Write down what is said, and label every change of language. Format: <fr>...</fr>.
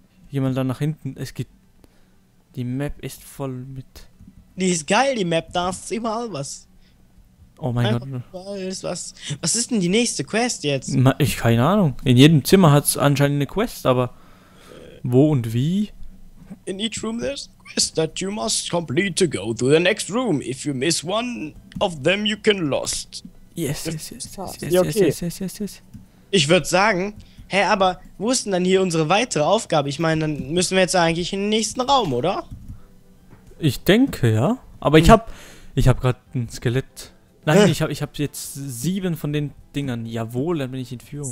<de>Geh mal da nach hinten. Es gibt... Die Map ist voll mit... Die ist geil, die Map. Da ist überall was. Oh mein Gott. Was ist denn die nächste Quest jetzt? Ich keine Ahnung. In jedem Zimmer hat es anscheinend eine Quest, aber... Wo und wie?</de> <en>In each room there's a quest that you must complete to go to the next room. If you miss one of them, you can lost. Yes.</en> <de>Ich würde sagen... Hä, hey, aber wo ist denn dann hier unsere weitere Aufgabe? Ich meine, dann müssen wir jetzt eigentlich in den nächsten Raum, oder? Ich denke, ja. Aber ich hab gerade ein Skelett Nein, ich hab jetzt 7 von den Dingern. Jawohl, dann bin ich in Führung.</de>